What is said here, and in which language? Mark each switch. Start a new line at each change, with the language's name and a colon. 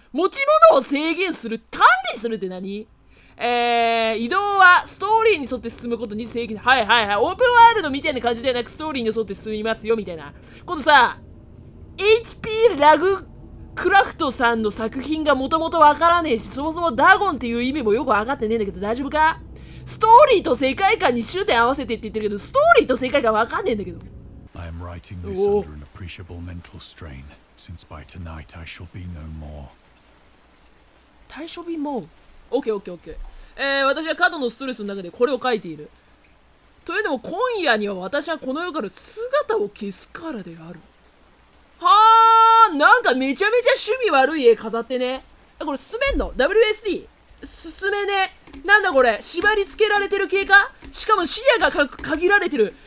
Japanese: 持ち物を制限する、管理するって何、移動はストーリーに沿って進むことに制限、はいはいはい、オープンワールドみたいな感じではなくストーリーに沿って進みますよみたいな。このさ、 HP ラグクラフトさんの作品がもともとわからねえし、そもそもダゴンっていう意味もよくわかってねえんだけど大丈夫か。ストーリーと世界観に終点合わせてって言ってるけど、ストーリーと世界観わかんねえんだけど。
English: I am writing this under an appreciable mental strain since by tonight I shall be no more.
Japanese: 対処日もオッケーオッケーオッケー、私は過度のストレスの中でこれを書いている。というのも今夜には私はこの世から姿を消すからである。はあ、なんかめちゃめちゃ趣味悪い絵飾ってね。これ進めんの WSD 進めね。なんだこれ、縛り付けられてる系か、しかも視野が限られてる。